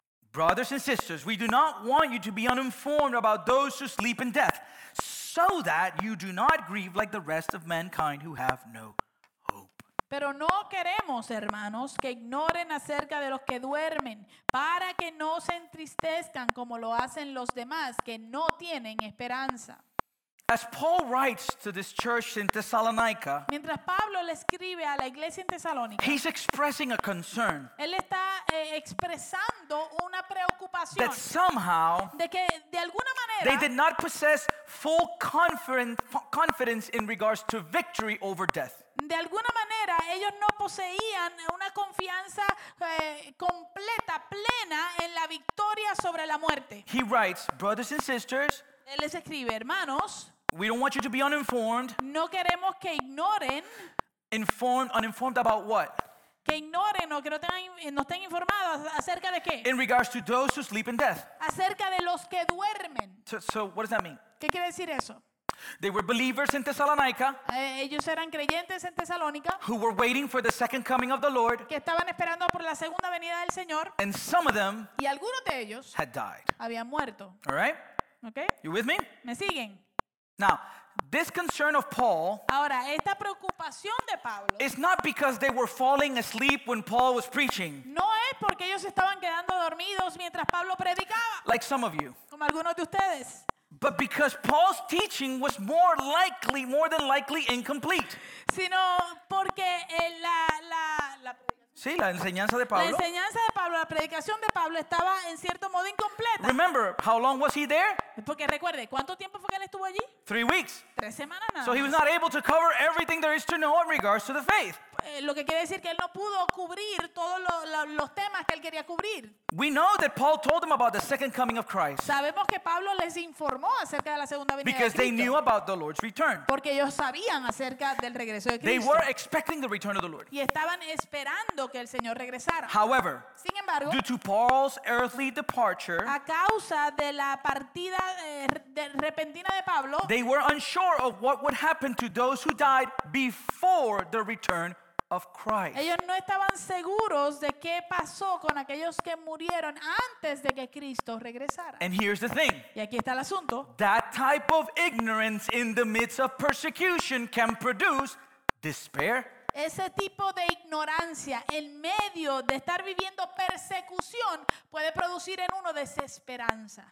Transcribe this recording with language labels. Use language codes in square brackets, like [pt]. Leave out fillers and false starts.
[en] Brothers and sisters, we do not want you to be uninformed about those who sleep in death, so that you do not grieve like the rest of mankind who have no hope. [es] Pero no queremos, hermanos, que ignoren acerca de los que duermen, para que no se entristezcan como lo hacen los demás que no tienen esperanza. [en] As Paul writes to this church in Thessalonica, [es] mientras Pablo le escribe a la iglesia en Tesalónica, [en] he's expressing a concern. [es] Él está expresando una preocupación. [en] That somehow, [es] de que de alguna manera, [en] they did not possess full confidence in regards to victory over death. [es] De alguna manera ellos no poseían una confianza completa, plena en la victoria sobre la muerte. [en] He writes, brothers and sisters. [es] Él les escribe, hermanos. [en] We don't want you to be uninformed. [es] No queremos que ignoren. [en] Uninformed about what? [es] Que ignoren o que no estén informados acerca de qué. [en] In regards to those who sleep in death. [es] Acerca de los que duermen. [en] So what does that mean? [es] ¿Qué quiere decir eso? [en] They were believers in Thessalonica. [es] Ellos eran creyentes en Tesalónica. [en] Who were waiting for the second coming of the Lord. [es] Que estaban esperando por la segunda venida del Señor. [en] And some of them. [es] Y algunos de ellos. [en] Had died. [es] Habían muerto. [en] All right. Okay. You with me? [es] Me siguen. [en] Now, This concern of Paul, [es] ahora, esta preocupación de Pablo, [en] is not because they were falling asleep when Paul was preaching. [es] No es porque ellos estaban quedando dormidos mientras Pablo predicaba. [en] Like some of you. [es] Como algunos de ustedes. [en] But because Paul's teaching was more than likely incomplete. [es] Sino porque la sí, la enseñanza de Pablo. La enseñanza de Pablo, la predicación de Pablo estaba en cierto modo incompleta. [en] Remember, how long was he there? [es] Porque recuerde, ¿cuánto tiempo fue que él estuvo allí? [en] 3 weeks. [es] 3 semanas nada. [en] So he was not able to cover everything there is to know in regards to the faith. [es] Lo que quiere decir que él no pudo cubrir todos los temas que él quería cubrir. [en] We know that Paul told them about the second coming of Christ. [es] Sabemos que Pablo les informó acerca de la segunda venida de [en] Cristo. Because they knew about the Lord's return. [es] Porque ellos sabían acerca del regreso de Cristo. [en] They were expecting the return of the Lord. [es] Y estaban esperando que el Señor regresara. [en] However, [es] sin embargo, [en] due to Paul's earthly departure, [es] a causa de la partida repentina de Pablo, [en] they were unsure of what would happen to those who died before the return of Christ. [es] Ellos no estaban seguros de qué pasó con aquellos que murieron antes de que Cristo regresara. [en] And here's the thing. [es] Y aquí está el asunto. [en] That type of ignorance in the midst of persecution can produce despair. [es] Ese tipo de ignorancia en medio de estar viviendo persecución puede producir en uno desesperanza.